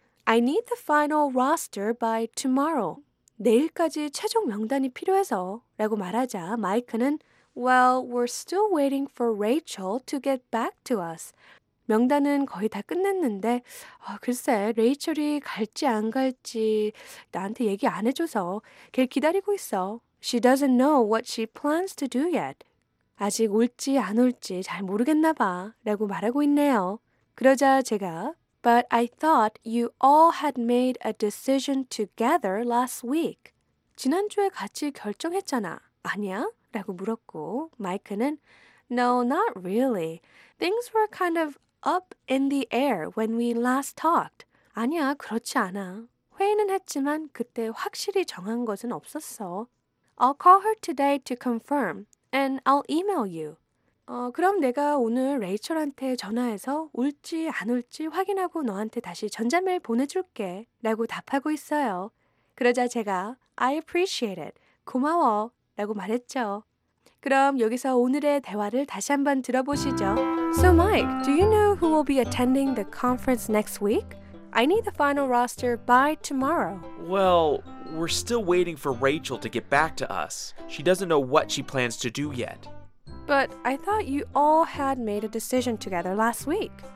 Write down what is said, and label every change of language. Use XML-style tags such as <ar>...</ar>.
<en>I need the final roster by tomorrow.</en> <ko>내일까지 최종 명단이 필요해서 라고 말하자 마이크는</ko> <en>Well, we're still waiting for Rachel to get back to us.</en> <ko>명단은 거의 다 끝냈는데 글쎄, 레이첼이 갈지 안 갈지 나한테 얘기 안 해줘서 걔를 기다리고 있어.</ko> <en>She doesn't know what she plans to do yet.</en> <ko>아직 올지 안 올지 잘 모르겠나 봐 라고 말하고 있네요. 그러자 제가</ko> <en>But I thought you all had made a decision together last week.</en> <ko>지난주에 같이 결정했잖아. 아니야? 라고 물었고 마이크는</ko> <en>No, not really. Things were kind of up in the air when we last talked.</en> <ko>아니야, 그렇지 않아. 회의는 했지만 그때 확실히 정한 것은 없었어.</ko> <en>I'll call her today to confirm and I'll email you.</en> <ko>그럼 내가 오늘 레이첼한테 전화해서 올지 안 올지 확인하고 너한테 다시 전자메일 보내줄게 라고 답하고 있어요. 그러자 제가</ko> <en>I appreciate it.</en> <ko>고마워 라고 말했죠. 그럼 여기서 오늘의 대화를 다시 한번 들어보시죠.</ko> <en>So Mike, do you know who will be attending the conference next week? I need the final roster by tomorrow. Well, we're still waiting for Rachel to get back to us. She doesn't know what she plans to do yet. But I thought you all had made a decision together last week.</en>